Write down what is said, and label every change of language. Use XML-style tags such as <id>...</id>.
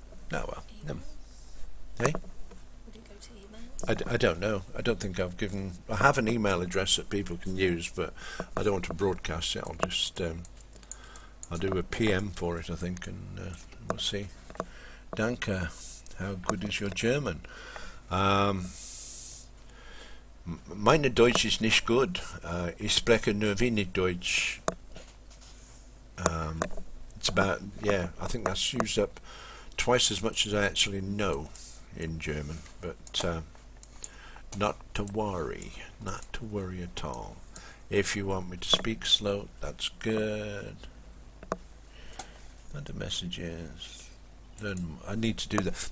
<en>No, Oh, well. Email? Hey? Would it go to email? I don't know. I don't think I've given... I have an email address that people can use, but I don't want to broadcast it. I'll just... I'll do a PM for it, I think, and we'll see. Danke. How good is your German?</en> <de>Meine Deutsch ist nicht gut. Ich spreche nur wenig Deutsch.</de> <en>It's about, I think that's used up twice as much as I actually know in German. But not to worry. Not to worry at all. If you want me to speak slow, that's good. Under messages. Learn. I need to do that.</en>